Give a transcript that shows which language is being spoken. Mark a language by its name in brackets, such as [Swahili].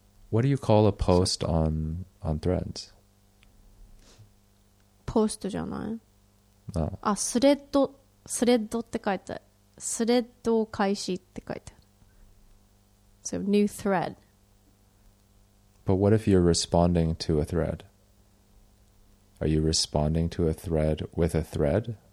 [English] What do you call a post on threads? [Japanese] ポストじゃない？スレッド、スレッドって書いてある。スレッドを開始って書いてある。 [English] So, new thread. But what if you're responding to a thread? Are you responding to a thread with a thread?